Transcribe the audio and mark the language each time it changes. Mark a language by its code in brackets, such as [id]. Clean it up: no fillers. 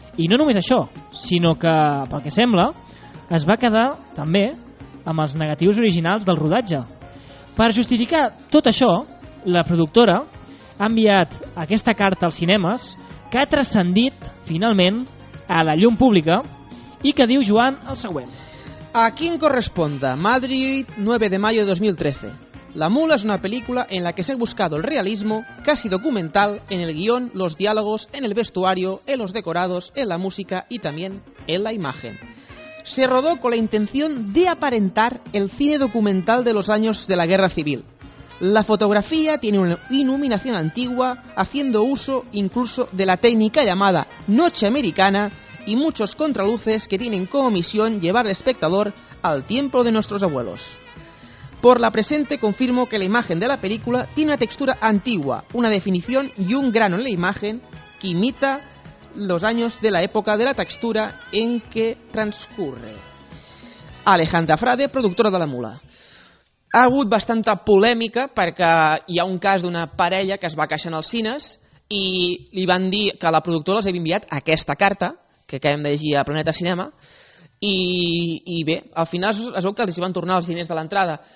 [ca] I no només això, sinó que, pel que sembla, es va quedar també amb els negatius originals del rodatge. Per justificar tot això, la productora ha enviat aquesta carta als cinemes que ha transcendit, finalment, a la llum pública i que diu Joan el següent. A quin [es] corresponde? Madrid, 9 de mayo de 2013. La Mula es una película en la que se ha buscado el realismo, casi documental, en el guión, los diálogos, en el vestuario, en los decorados, en la música y también en la imagen. Se rodó con la intención de aparentar el cine documental de los años de la Guerra Civil. La fotografía tiene una iluminación antigua, haciendo uso incluso de la técnica llamada noche americana y muchos contraluces que tienen como misión llevar al espectador al tiempo de nuestros abuelos. Por la presente confirmo que la imagen de la película tiene una textura antigua, una definición y un grano en la imagen que imita los años de la época de la textura en que transcurre. Alejandra Frade, productora de La Mula. [ca] Ha hagut bastanta polèmica perquè hi ha un cas d'una parella que es va queixar als cines i li van dir que la productora els havia enviat aquesta carta que acabem de llegir a Planeta Cinema. I bé, al final es veu que els van tornar els diners de l'entrada.